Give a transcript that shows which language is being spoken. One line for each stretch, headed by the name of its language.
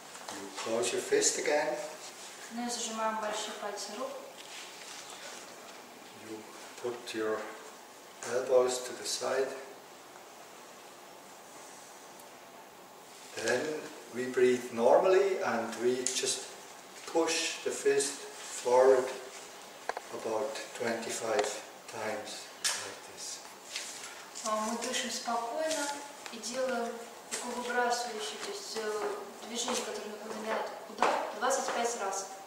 English: You close your fist again.
Russian: Мы зажимаем большие пальцы рук.
English: You put your elbows to the side. Then we breathe normally and we just push the fist forward about 25 times like this.
Russian: Мы дышим спокойно. И делаем такой выбрасывающий, то есть движение, которое напоминает удар, 25 раз.